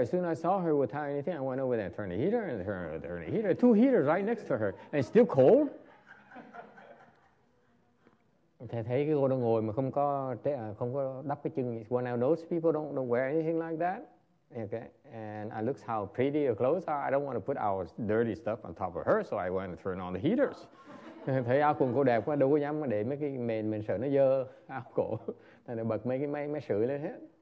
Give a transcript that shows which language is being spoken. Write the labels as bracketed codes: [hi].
[en] As soon as I saw her without anything, I went over there and turned the heater and turned the heater. Two heaters right next to her. And it's still cold? [vi] Thầy thấy cái cô đang ngồi mà không có đắp cái chân. [en] One of those people don't wear anything like that. Okay. And I looked how pretty her clothes are. I don't want to put our dirty stuff on top of her, so I went and turned on the heaters. [vi] Thấy áo quần cô đẹp quá, đâu có dám để mấy cái mền mình sợ nó dơ áo cổ. Thầy bật mấy cái máy sưởi lên hết.